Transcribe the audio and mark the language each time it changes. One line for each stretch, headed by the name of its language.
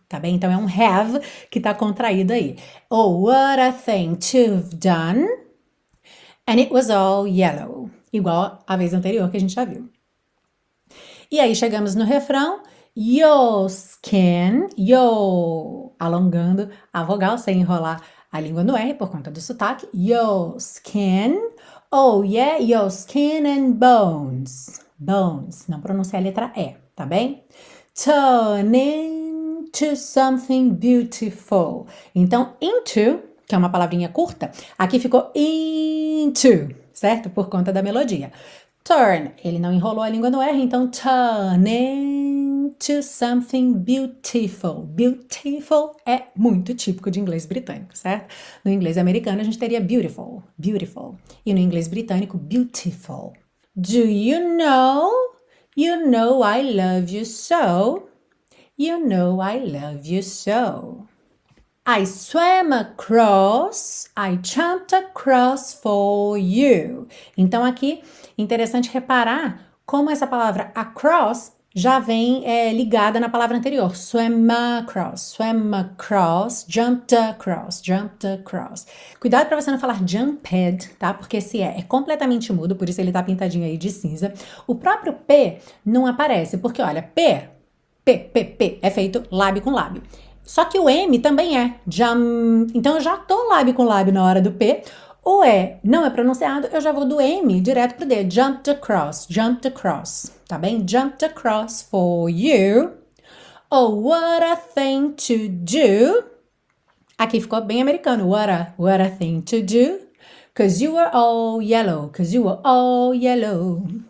Portuguese: Tá bem? Então é um have que tá contraído aí.
English: Oh, what a thing to have done. And it was all yellow.
Portuguese: Igual a vez anterior que a gente já viu. E aí chegamos no refrão. Your skin, yo, alongando a vogal sem enrolar a língua no R, por conta do sotaque.
English: Your skin. Oh, yeah, your skin and bones. Bones.
Portuguese: Não pronuncia a letra E, tá bem?
English: Turning to something beautiful.
Portuguese: Então, into, que é uma palavrinha curta, aqui ficou into, certo? Por conta da melodia. Turn. Ele não enrolou a língua no R, então
English: turning to something beautiful.
Portuguese: Beautiful é muito típico de inglês britânico, certo? No inglês americano a gente teria beautiful, beautiful. E no inglês britânico, beautiful.
English: Do you know? You know I love you so. You know I love you so. I swam across, I jumped across for you.
Portuguese: Então aqui, interessante reparar como essa palavra across já vem ligada na palavra anterior.
English: Swam across, jumped across.
Portuguese: Cuidado para você não falar jumped, tá? Porque esse é completamente mudo, por isso ele tá pintadinho aí de cinza. O próprio P não aparece, porque olha, P é feito lábio com lábio. Só que o M também é. Jam. Então eu já tô lábio com lábio na hora do P. O E não é pronunciado, eu já vou do M direto pro D.
English: Jumped across, tá bem? Jumped across for you. Oh, what a thing to do.
Portuguese: Aqui ficou bem americano.
English: What a thing to do. Cause you were all yellow, cause you were all yellow.